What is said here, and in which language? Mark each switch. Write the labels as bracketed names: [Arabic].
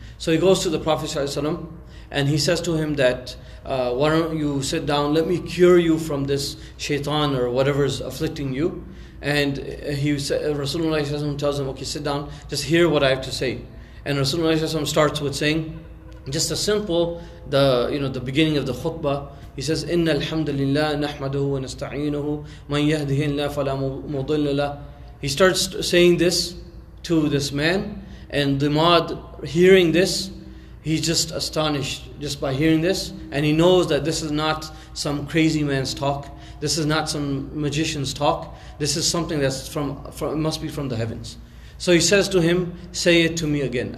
[English] So he goes to the Prophet ﷺ and he says to him that, why don't you sit down, let me cure you from this shaitan or whatever is afflicting you. And Rasulullah tells him, okay, sit down, just hear what I have to say. And Rasulullah starts with saying, just a simple, the beginning of the khutbah. He says, [Arabic] إِنَّ الْحَمْدَ لِلَّهِ نَحْمَدُهُ وَنَسْتَعِينُهُ مَنْ يَهْدِهِ اللَّهِ فَلَا مُضِلَّ لَهِ. [English] He starts saying this to this man, and Dhimad, hearing this, he's just astonished just by hearing this. And he knows that this is not some crazy man's talk. This is not some magician's talk. This is something that's must be from the heavens. So he says to him, say it to me again.